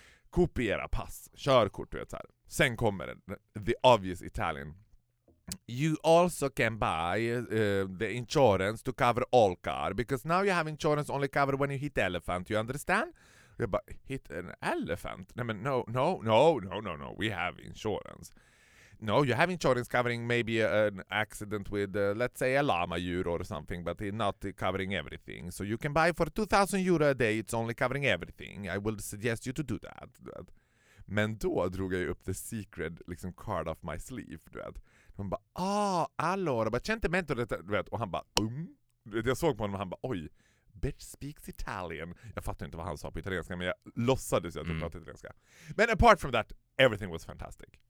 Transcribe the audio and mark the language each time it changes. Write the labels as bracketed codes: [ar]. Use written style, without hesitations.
[sv] Kopiera pass, körkort, du vet, så här. Sen kommer [en] the obvious Italian. You also can buy the insurance to cover all car, because now you have insurance only cover when you hit elephant, you understand? [sv] Jag bara, [en] hit an elephant? [sv] Nej, men [en] no, we have insurance. No, you have insurance covering maybe an accident with, let's say, a llama euro or something, but not covering everything. So you can buy for 2,000 euro a day, it's only covering everything. I will suggest you to do that. [sv] Men då drog jag upp [en] the secret liksom card off my sleeve, [sv] du vet. Hon bara, allora, bara, c'è mento, du vet. Och han bara, jag såg på honom och han bara, oj, [en] bitch speaks Italian. [sv] Jag fattar inte vad han sa på italienska, men jag låtsades att jag pratade italienska. [en] Men apart from that, everything was fantastic.